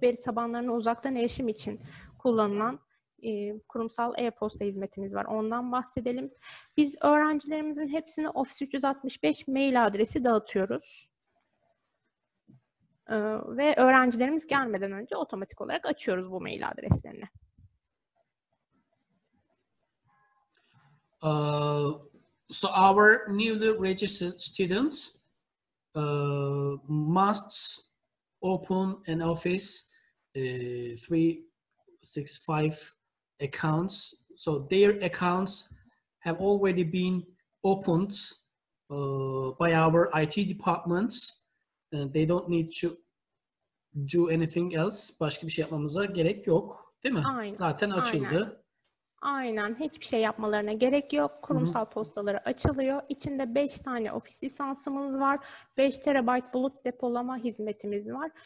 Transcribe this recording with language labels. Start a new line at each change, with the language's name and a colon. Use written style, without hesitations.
Turkish: Veri tabanlarına uzaktan erişim için kullanılan kurumsal e-posta hizmetimiz var. Ondan bahsedelim. Biz öğrencilerimizin hepsini Office 365 mail adresi dağıtıyoruz. Ve öğrencilerimiz gelmeden önce otomatik olarak açıyoruz bu mail adreslerini.
English: So our newly registered students must open an Office 365 accounts. So their accounts have already been opened by our IT departments. They don't need to do anything else.
Turkish: Başka bir şey yapmamıza gerek yok, değil mi? Aynen. Zaten açıldı. Aynen. Hiçbir şey yapmalarına gerek yok. Kurumsal Hı-hı. postaları açılıyor. İçinde 5 tane ofis lisansımız var. 5 terabyte bulut depolama hizmetimiz var.